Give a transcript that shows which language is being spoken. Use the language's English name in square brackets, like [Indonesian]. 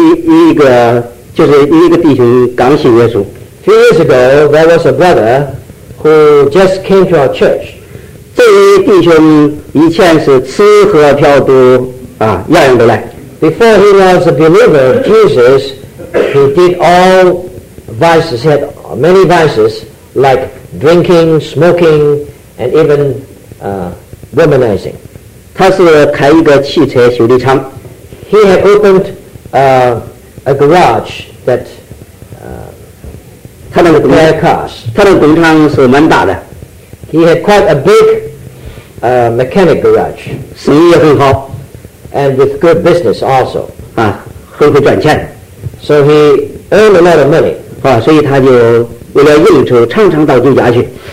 [Chinese] 在几年前那里有一个弟兄刚信耶稣。 [English] Few years ago, there was a brother who just came to our church. [Chinese] 这位弟兄以前是吃喝嫖赌，啊，样样都来。 [English] Before he was a believer of Jesus, he did all vices, he had many vices, like drinking, smoking, and even womanizing. [Chinese] 他是开一个汽车修理厂。 [English] he had opened a garage that repair cars. [Chinese] 他的工厂是蛮大的。 [English] He had quite a big mechanic garage. [Chinese] 生意也很好。 [English] And with good business also. [Chinese] 很会赚钱。 [English] So he earned a lot of money. [Chinese] 所以他就为了应酬常常到这家去。